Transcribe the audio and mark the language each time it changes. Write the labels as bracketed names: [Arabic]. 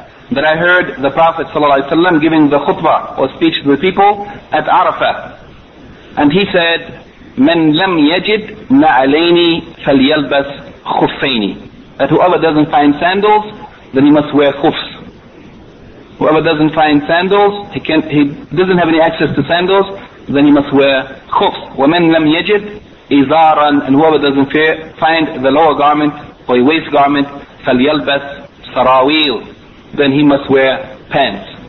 [English] That I heard the Prophet ﷺ giving the khutbah or speech to the people at Arafah. And he said, [Arabic] مَنْ لَمْ يَجِدْ نَعَلَيْنِ فَلْيَلْبَسْ خُفَّيْنِ. [English] That whoever doesn't find sandals, then he must wear khufs. Whoever doesn't find sandals, he doesn't have any access to sandals, then he must wear khufs. [Arabic] وَمَنْ لَمْ يَجِدْ إِذَارًا. [English] And whoever doesn't find the lower garment or a waist garment, [Arabic] فَلْيَلْبَسْ سَرَاوِيلٌ. [English] Then he must wear pants.